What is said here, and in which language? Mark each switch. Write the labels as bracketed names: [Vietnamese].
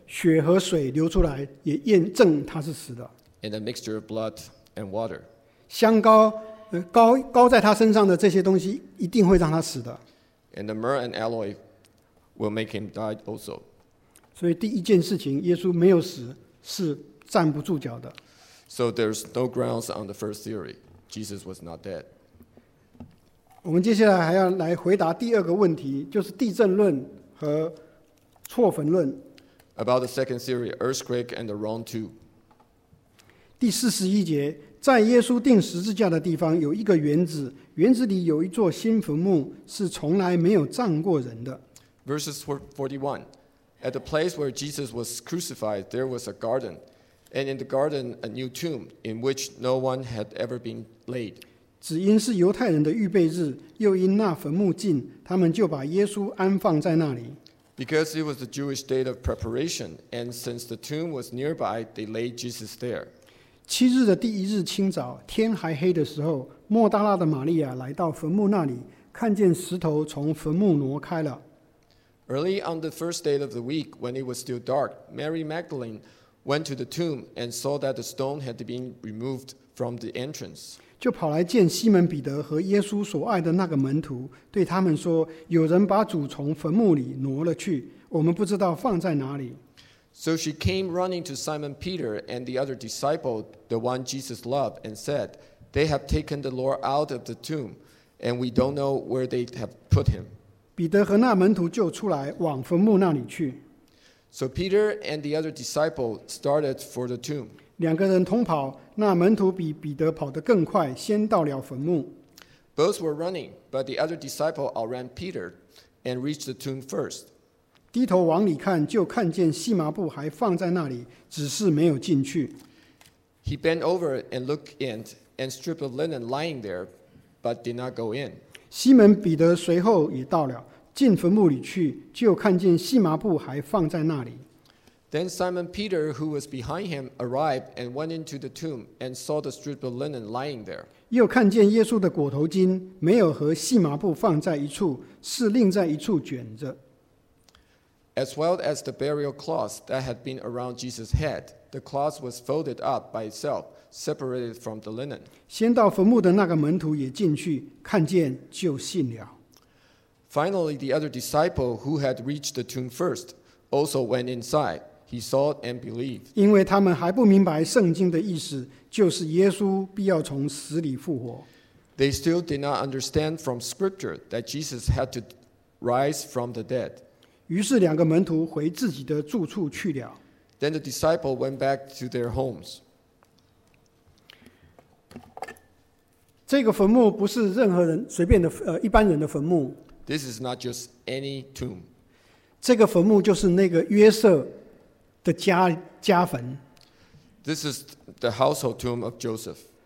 [Chinese] 血和水流出来，也验证他是死的。 [English] And a mixture of blood. And water. [Chinese] 香膏，膏在他身上的这些东西一定会让他死的。 [English] And the myrrh and aloe will make him die also. [Chinese] 所以第一件事情，耶稣没有死，是站不住脚的。 [English] So there's no grounds on the first theory. Jesus was not dead. [Chinese] 我们接下来还要来回答第二个问题，就是地震论和错坟论。 [English] About the second theory, earthquake and the wrong tomb. [Chinese] 第41节，在耶稣钉十字架的地方有一个园子，园子里有一座新坟墓，是从来没有葬过人的。 [English] Verses 41, at the place where Jesus was crucified, there was a garden, and in the garden a new tomb in which no one had ever been laid. [Chinese] 只因是犹太人的预备日，又因那坟墓近，他们就把耶稣安放在那里。 [English] Because it was the Jewish day of preparation, and since the tomb was nearby, they laid Jesus there. [Chinese] 七日的第一日清早，天还黑的时候，莫大拉的玛利亚来到坟墓那里，看见石头从坟墓挪开了。 [English] Early on the first day of the week, when it was still dark, Mary Magdalene went to the tomb and saw that the stone had been removed from the entrance. [Chinese] 就跑来见西门彼得和耶稣所爱的那个门徒，对他们说：“有人把主从坟墓里挪了去，我们不知道放在哪里。” [English] So she came running to Simon Peter and the other disciple, the one Jesus loved, and said, "They have taken the Lord out of the tomb, and we don't know where they have put him." [Chinese] 彼得和那门徒就出来往坟墓那里去。 [English] So Peter and the other disciple started for the tomb. [Chinese] 两个人同跑，那门徒比彼得跑得更快，先到了坟墓。 [English] Both were running, but the other disciple outran Peter and reached the tomb first. [Chinese] 低头往里看，就看见细麻布还放在那里，只是没有进去。 [English] He bent over and looked in, and strip of linen lying there, but did not go in. [Chinese] 西门彼得随后也到了，进坟墓里去，就看见细麻布还放在那里。 [English] Then Simon Peter, who was behind him, arrived and went into the tomb and saw the strip of linen lying there. [Chinese] 又看见耶稣的裹头巾没有和细麻布放在一处，是另在一处卷着。 [English] As well as the burial cloth that had been around Jesus' head, the cloth was folded up by itself, separated from the linen. [Chinese] 先到坟墓的那个门徒也进去，看见就信了。 [English] Finally, the other disciple who had reached the tomb first also went inside. He saw it and believed. [Chinese] 因为他们还不明白圣经的意思，就是耶稣必要从死里复活。 [English] They still did not understand from Scripture that Jesus had to rise from the dead. [Chinese] 于是两个门徒回自己的住处去了。 [English] Then the disciple went back to their homes. [Chinese] 这个坟墓不是任何人随便的一般人的坟墓。 [English] This is not just any tomb. [Chinese] 这个坟墓就是那个约瑟的家坟。 [English] This is the household tomb of Joseph.